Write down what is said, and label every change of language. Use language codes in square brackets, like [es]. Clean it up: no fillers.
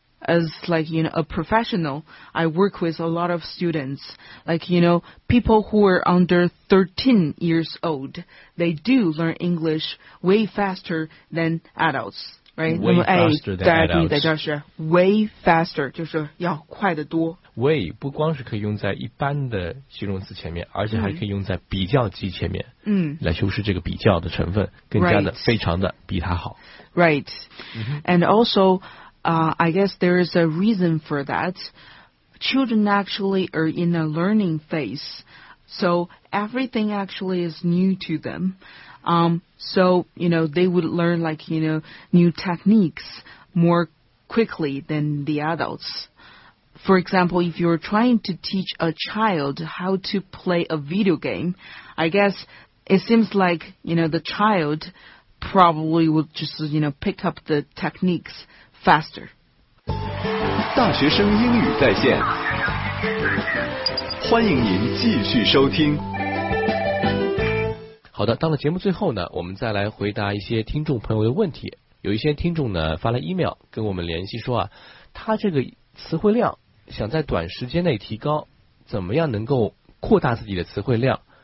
[en] As like, you know, a professional, I work with a lot of students. Like, you know, people who are under 13 years old, they do learn English way faster than adults, right? Way faster than adults. Way faster, [zh] 就是要快得多。 Way 不光是可以用在一般的形容词前面，而且还可以用在比较级前面，来修饰这个比较的成分，更加的非常的比它好。 [en] Right. And also, I guess there is a reason for that. Children actually are in a learning phase, so everything actually is new to them. So, you know, they would learn like, you know, new techniques more quickly than the adults. For example, if you're trying to teach a child how to play a video game, I guess it seems like, you know, the child probably would just, you know, pick up the techniques faster. [zh] 大学生英语在线，欢迎您继续收听。好的，到了节目最后呢，我们再来回答一些听众朋友的问题。有一些听众呢发了 email 跟我们联系说啊，他这个词汇量想在短时间内提高，怎么样能够扩大自己的词汇量？